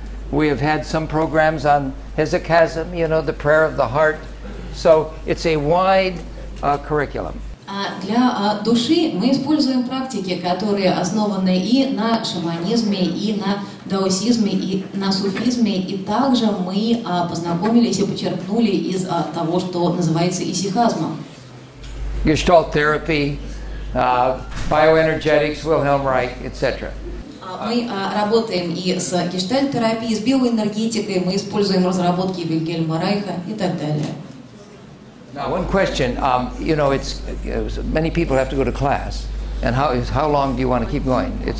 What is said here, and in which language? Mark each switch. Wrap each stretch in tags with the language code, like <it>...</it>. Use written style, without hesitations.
<en>We have had some programs on hesychasm, you know, the prayer of the heart. So it's a wide curriculum.</en> <ru>Для души мы используем практики, которые основаны и на шаманизме, и на даосизме, и на суфизме, и также мы познакомились и почерпнули из того, что называется исихазмом.</ru> <en>Gestalt therapy, bioenergetics, Wilhelm Reich, etc.</en> <ru>Мы работаем и с гештальт-терапией, с биоэнергетикой, мы используем разработки Вильгельма Райха и так далее.</ru> <en>Now, one question. You know, it's many people have to go to class. And how long do you want to keep going?</en>